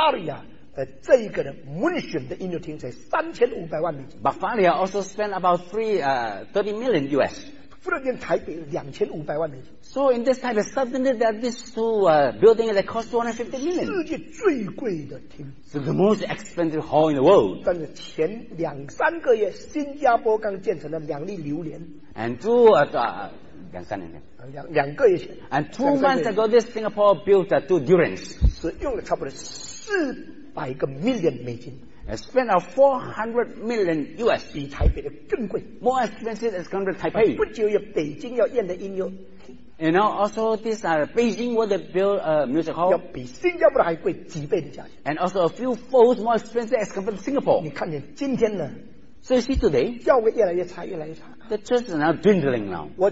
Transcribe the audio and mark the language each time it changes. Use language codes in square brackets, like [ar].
[zh] 以后呢，这个德国巴伐利亚的这一个的 München 的音乐厅才3500万美金。 [en] Bavaria also spent about 30 million US. [zh] 福建台北2500万美金。 [en] So in this time, suddenly there are these two buildings that cost 250 million. [zh] 世界最贵的厅。 [en] So the most expensive hall in the world. [zh] 但是前两三个月，新加坡刚建成了两粒榴莲。 [en] And two And 2 months ago, this Singapore built two durians. [zh] 是用了差不多400个million美金. [en] And spent of 400 million US. [zh] 比台北的更贵. [en] More expensive as compared to Taipei. [zh] 不久也北京要建的音乐. [en] You know, also this Beijing where they build a music hall. [zh] 要比新加坡还贵几倍的价钱. [en] And also a few folds more expensive as compared to Singapore. [zh] 你看见今天呢? [en] So you see today, [zh] 教会越来越差。 [en] The church is now dwindling now.